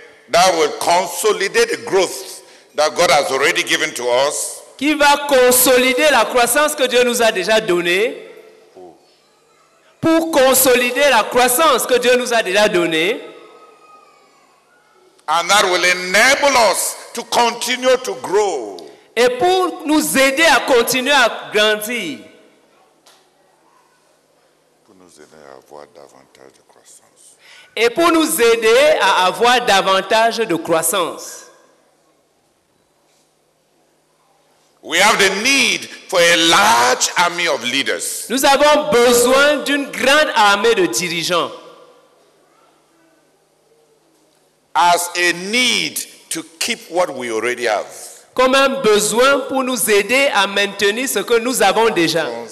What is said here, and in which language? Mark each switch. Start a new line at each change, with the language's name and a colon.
English: That will consolidate the growth that God has already given to us.
French: Qui va consolider la croissance que Dieu nous a déjà donnée. Pour consolider la croissance que Dieu nous a déjà donnée.
English: And that will enable us to continue to grow.
French: Et pour nous aider à continuer à grandir. Pour nous aider à avoir davantage de croissance. Et pour nous aider à avoir davantage de croissance.
English: We have the need for a large army of leaders.
French: Nous avons besoin d'une grande armée de dirigeants.
English: As a need to keep what we already have.
French: Comme un besoin pour nous aider à maintenir ce que nous avons déjà.